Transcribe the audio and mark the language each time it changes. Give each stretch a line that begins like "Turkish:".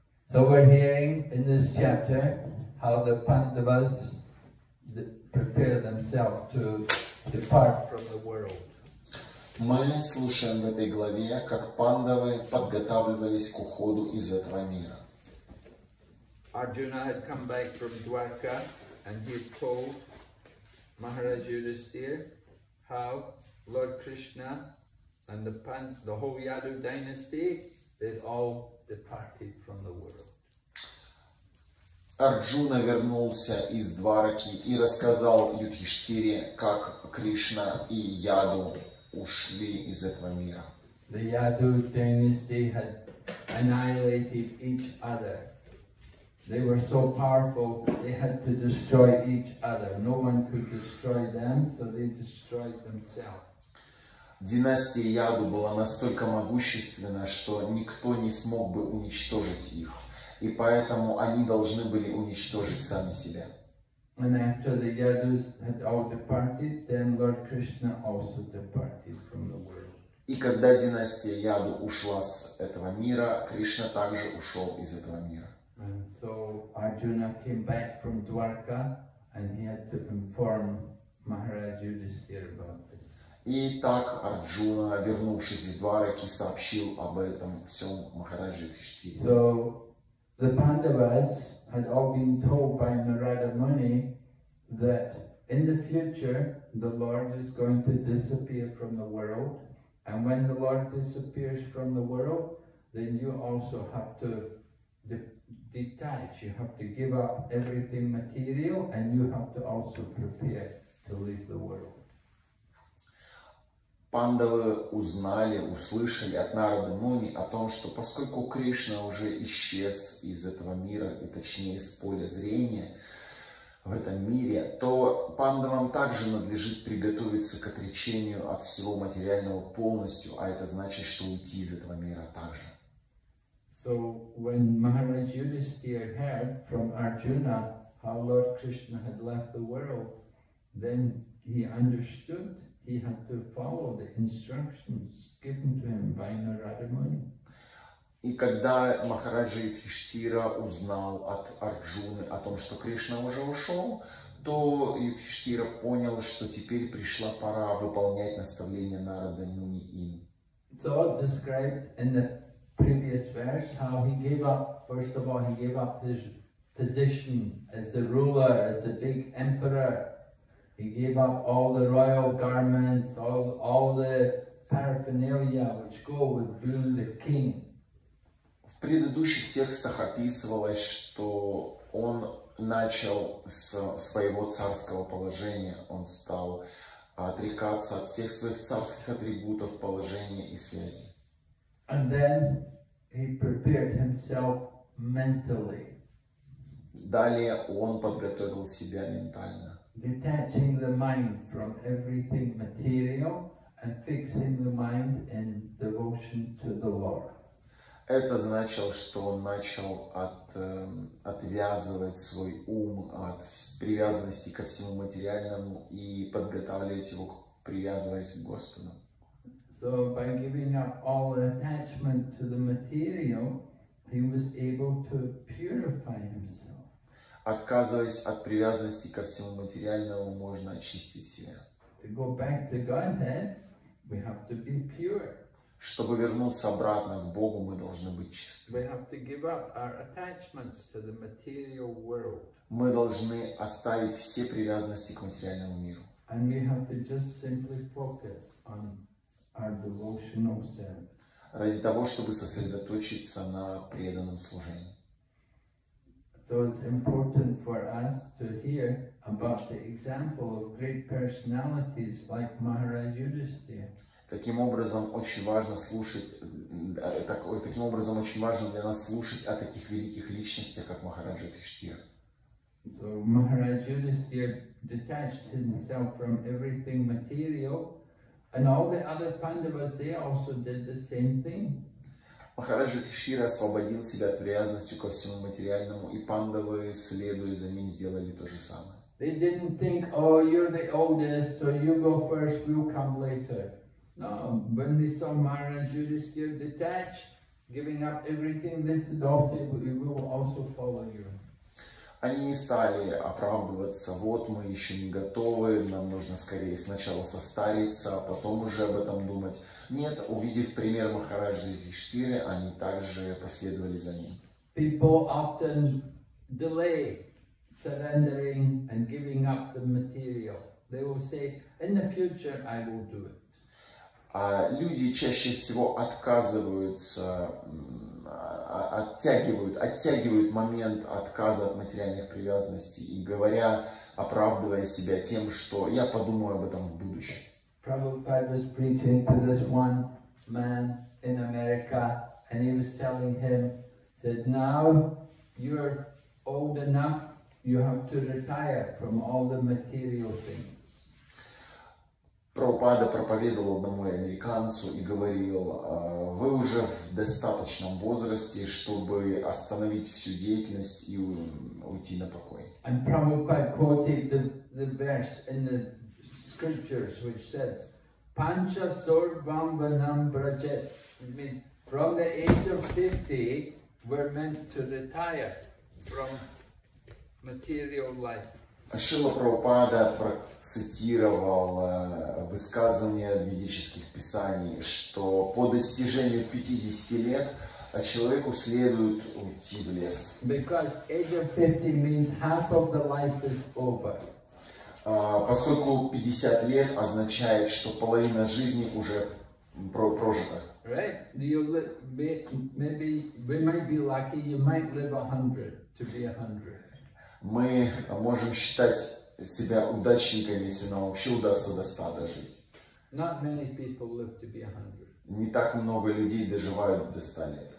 English: So we're hearing in this chapter how the Pandavas prepare themselves to depart from the world.
Russian: Мы слушаем в этой главе, как пандавы подготавливались к уходу из этого мира.
English: Arjuna had come back from Dwarka and he told Maharaj Yudhisthira how Lord Krishna and the whole Yadu dynasty, they all departed from the world.
Russian: Арджуна вернулся из Двараки и рассказал Юдхиштхире, как Кришна и Яду ушли из этого мира.
English: The Yadu dynasty had annihilated each other. They were so powerful, they had to destroy each other. No one could destroy them, so they destroyed themselves.
Russian: Династия Яду была настолько могущественна, что никто не смог бы уничтожить их. И поэтому они должны были уничтожить сами себя.
English: And after the Yadus had all departed, then Lord Krishna also departed from the world.
Russian: И когда династия Яду ушла с этого мира, Кришна также ушел из этого мира.
English: And so Arjuna came back from Dwarka and he had to inform Maharaj Yudhisthira about this.
Russian: И так Арджуна, вернувшись из Двараки, сообщил об этом всем Махараджу Юдхиштхире.
English: So the Pandavas had all been told by Narada Muni that in the future the Lord is going to disappear from the world, and when the Lord disappears from the world, then you also have to detach, you have to give up everything material, and you have to also prepare to leave the world.
Russian: Пандавы узнали, услышали от Нарады Муни о том, что поскольку Кришна уже исчез из этого мира, и точнее из поля зрения в этом мире, то пандавам также надлежит приготовиться к отречению от всего материального полностью, а это значит, что уйти из этого мира также.
English: So when Maharaj Yudhisthira heard from Arjuna how Lord Krishna had left the world, then he understood. He had to follow the instructions given to him by Narada Muni.
Russian: И когда Махараджа Юдхиштхира узнал от Арджуны о том, что Кришна уже ушел, то Юдхиштхира понял, что теперь пришла пора выполнять наставления Нарада Муни им.
English: So described in the previous verse how he gave up. First of all, he gave up his position as the ruler, as the big emperor. He gave up all the royal garments, all the paraphernalia which go with being the king.
Russian: В предыдущих текстах описывалось, что он начал с своего царского положения, он стал отрекаться от всех своих царских атрибутов, положения и связи.
English: And then he prepared himself mentally.
Russian: Далее он подготовил себя ментально.
English: Detaching the mind from everything material and fixing the mind in devotion to the Lord.
Russian: Это значило, что он начал отвязывать свой ум от привязанности ко всему материальному и подготавливать его, привязываясь к Господу.
English: So by giving up all attachment to the material, he was able to purify himself.
Russian: Отказываясь от привязанности ко всему материальному, можно очистить себя.
English: To go back to Godhead, we have to be pure.
Russian: Чтобы вернуться обратно к Богу, мы должны быть чисты.
English: We have to give up our attachments to the material world.
Russian: Мы должны оставить все привязанности к материальному миру.
English: And we have to just simply focus on our devotional service.
Russian: Ради того, чтобы сосредоточиться на преданном служении.
English: So it's important for us to hear about the example of great personalities like Maharaj Yudhisthira.
Russian: Таким образом очень важно для нас слушать о таких великих личностях, как Махарадж Юдхиштхира.
English: So Maharaj Yudhisthira detached himself from everything material, and all the other Pandavas, they also did the same thing.
Russian: Махарадж Юдхиштхира освободил себя от привязанности ко всему материальному, и Пандавы, следуя за ним, сделали то же самое.
English: They didn't think, oh, you're the oldest, so you go first, we'll come later. No, when they saw Maharaj Yudhisthira detached, giving up everything, they said, also, we will also follow you.
Russian: Они не стали оправдываться, вот мы еще не готовы, нам нужно скорее сначала состариться, а потом уже об этом думать. Нет, увидев пример Махараджа Юдхиштхиры, они также последовали за ним.
English: People often delay surrendering and giving up the material. They will say, in the future I will do it.
Russian: Люди чаще всего отказываются, оттягивают момент отказа от материальных привязанностей и говоря, оправдывая себя тем, что я подумаю об этом в будущем.
English: Prabhupada was preaching to this one man in America, and he was telling him, said, now you're old enough, you have to retire from all the material things.
Russian: Прабхупада проповедовал одному американцу и говорил, вы уже в достаточном возрасте, чтобы остановить всю деятельность и уйти на покой.
English: And Prabhupada quoted the verse in the scriptures, which said,
Sanskrit: Pancha Sorvam Vanam Brajet.
English: It means, from the age of 50, we're meant to retire from material life.
Russian: Шрила Прабхупада процитировал высказывание ведических писаний, что по достижению 50 лет человеку следует уйти в лес.
English: Because age of 50 means half of the life is over.
Russian: Поскольку 50 лет означает, что половина жизни уже прожита.
English: Right? Maybe we might be lucky, you might live 100 to be 100.
Russian: Мы можем считать себя удачниками, если нам вообще удастся до 100 дожить.
English: Not many people live to be 100.
Russian: Не так много людей доживают до 100 лет.